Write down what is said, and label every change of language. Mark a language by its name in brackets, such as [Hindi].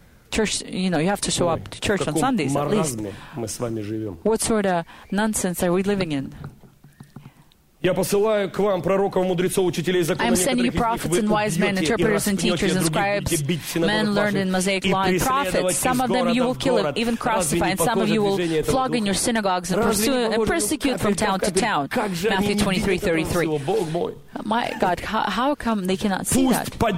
[English] Church, you know, you have to show up to church on Sundays at least. [Russian] Мы с вами живем. [English] What sort of nonsense are we living in? [Russian] Я посылаю к вам пророков, мудрецов, учителей закона. [English] I'm sending you prophets and wise men, interpreters and teachers and scribes, men learned in Mosaic law and prophets. Some of them you will kill and even crucify, and some of you will flog in your synagogues and pursue and persecute from town to town. Matthew 23:33. My God, how come they cannot see that?